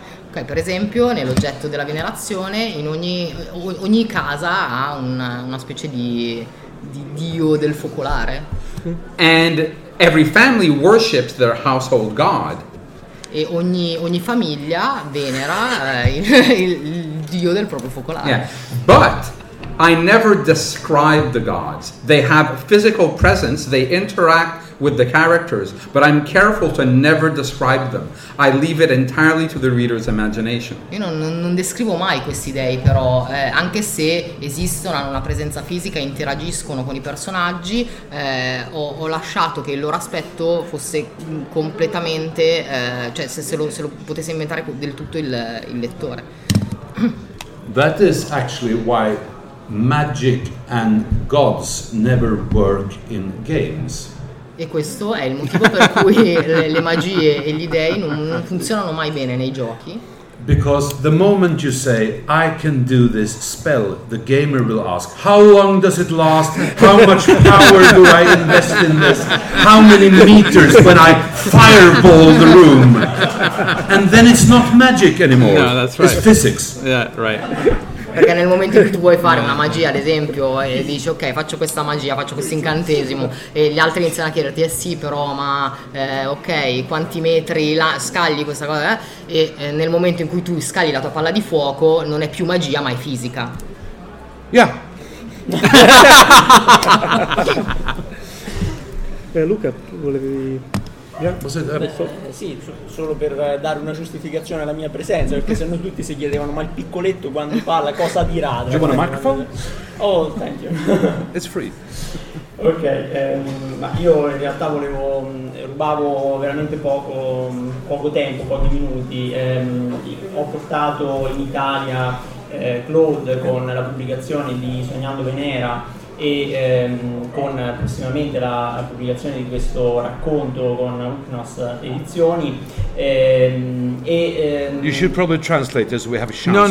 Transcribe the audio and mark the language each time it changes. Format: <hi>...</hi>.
<it>Ok, per esempio, nell'oggetto della venerazione, in ogni casa ha una specie di dio del focolare.</it> <en>And every family worships their household god.</en> <it>E ogni famiglia venera il dio del proprio focolare.</it> <en>Yeah. But I never describe the gods. They have physical presence, they interact with the characters, but I'm careful to never describe them. I leave it entirely to the reader's imagination.</en> <it>Io non descrivo mai queste idee, però anche se esistono, hanno una presenza fisica, interagiscono con i personaggi, ho lasciato che il loro aspetto fosse completamente, cioè se lo potesse inventare del tutto il lettore.</it> <en>That is actually why magic and gods never work in games.</en> <it>E questo è il motivo per cui le magie e gli dèi non funzionano mai bene nei giochi.</it> <en>Because the moment you say I can do this spell, the gamer will ask, how long does it last? How much power do I invest in this? How many meters when I fireball the room? And then it's not magic anymore. No, that's right. It's physics. Yeah, right.</en> <it>Perché nel momento in cui tu vuoi fare una magia, ad esempio, e dici ok, faccio questa magia, faccio questo incantesimo, e gli altri iniziano a chiederti eh sì, però ma ok, quanti metri la scagli questa cosa, e nel momento in cui tu scagli la tua palla di fuoco non è più magia ma è fisica.</it> <en>Yeah.</en> <it>Luca, volevi... Beh, sì, solo per dare una giustificazione alla mia presenza, perché sennò tutti si chiedevano ma il piccoletto quando parla cosa dirà.</it> <en>Do you want a microphone? Oh, thank you. It's free.</en> <it>Ok, ma io in realtà volevo rubavo veramente poco tempo, pochi minuti. Ho portato in Italia Claude con la pubblicazione di Sognando Venera e con prossimamente la pubblicazione di questo racconto con Uknos Edizioni</it> <en>You should probably translate as we have a chance.</en>